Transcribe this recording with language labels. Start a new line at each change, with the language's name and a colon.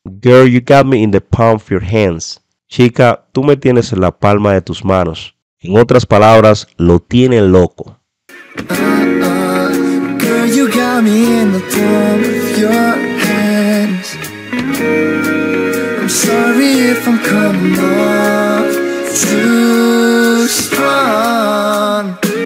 English: Girl, you got me in the palm of your hands.
Spanish: Chica, tú me tienes en la palma de tus manos. En otras palabras, lo tiene loco.
English: Girl, you got me in the palm of your hands. I'm sorry if I'm coming off too strong.